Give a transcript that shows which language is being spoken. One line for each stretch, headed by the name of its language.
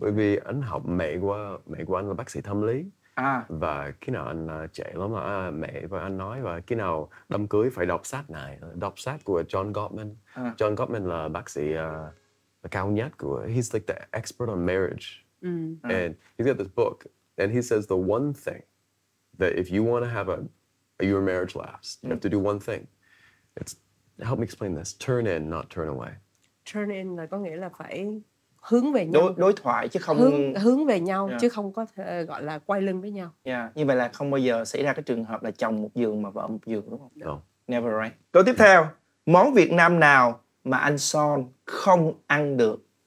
Vietnamese: Bởi vì anh học mẹ của anh là bác sĩ tâm lý. Và khi nào anh trẻ lắm mà mẹ và anh nói, và khi nào đám cưới phải đọc sách này, đọc sách của John Gottman.
English: John Gottman
Vietnamese: là bác sĩ cao nhất của,
English: he's like the expert on marriage. And he's got this book and he says the one thing that if you want to have a your marriage last, you have to do one thing. It's, help me explain this. Turn in, not turn away.
Vietnamese: Turn in là có nghĩa là phải hướng về nhau. Đối thoại chứ không hướng về nhau, chứ không có gọi là quay lưng với nhau.
English: Yeah.
Vietnamese: Như vậy là không bao giờ xảy ra cái trường hợp là chồng một giường mà vợ một giường, đúng không?
English: No. Never, right?
Vietnamese: Câu tiếp theo. Món Việt Nam nào mà anh Son không ăn được?